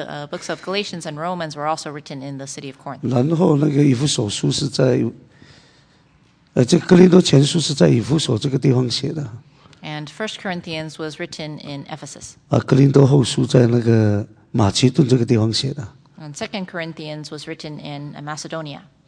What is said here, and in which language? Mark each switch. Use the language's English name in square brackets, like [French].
[English] Books of Galatians and Romans were also written in the city of Corinth. [Chinese] 然后那个以弗所书是在，这哥林多前书是在以弗所这个地方写的。 [English] And 1 Corinthians was written in Ephesus. [Chinese] 哥林多后书在那个马其顿这个地方写的。 [English] And 2 Corinthians was written in Macedonia.